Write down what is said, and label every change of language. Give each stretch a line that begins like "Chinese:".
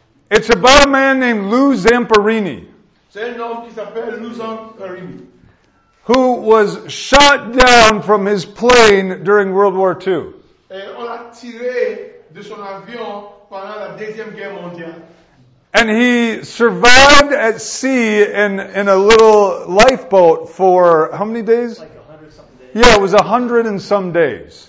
English: It's about a man named Lou Zamperini.
French: C'est un homme qui s'appelle Lou Zamperini.
English: Who was shot down from his plane during World War II.
French: Et on l'a tiré de son avion pendant la Deuxième Guerre mondiale.
English: And he survived at sea in a little lifeboat for how many days? Like 100 and some days. Yeah, it was 100 and some days.